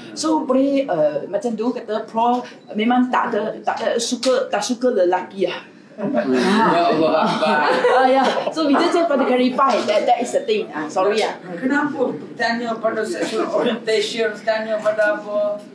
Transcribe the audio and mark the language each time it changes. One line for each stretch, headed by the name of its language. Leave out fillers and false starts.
Malay: So boleh macam tu kata Prof memang tak suka lelaki lah.
English: So we just have to clarify that is the thing. Sorry ya.
Malay: Kenapa tanya pada sexual orientation, tanya pada apa?